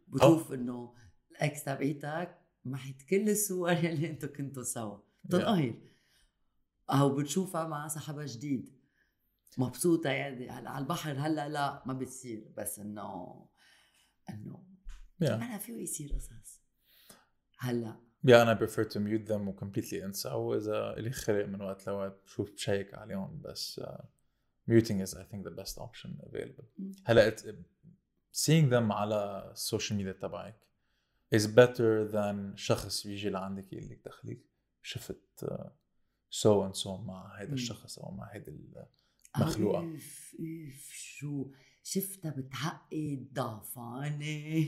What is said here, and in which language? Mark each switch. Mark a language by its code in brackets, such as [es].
[ar] بتشوف انه الاكس تبعيتك محيت كل الصور اللي انتو كنتوا سوا تنقهر او بتشوفها مع صاحبة جديد مبسوطة يعني على البحر هلا لا ما بتصير بس انه yeah. انا فيه يصير قصص هلا [en] yeah [ar] انا [en] prefer to mute them or completely [ar] انسى او اذا اللي خلق من وقت لوقت بشوف بشيك عليهم بس [en] muting is I think the best option available. [ar] هلا [en] seeing them [ar] على السوشيال ميديا تبعك [en] is better than [ar] شخص يجي لعندك اللي تخليك شفت [en] so and so [ar] مع هيدا الشخص او مع هيدا المخلوقة. اف شو شفتها بتعقد ضعفاني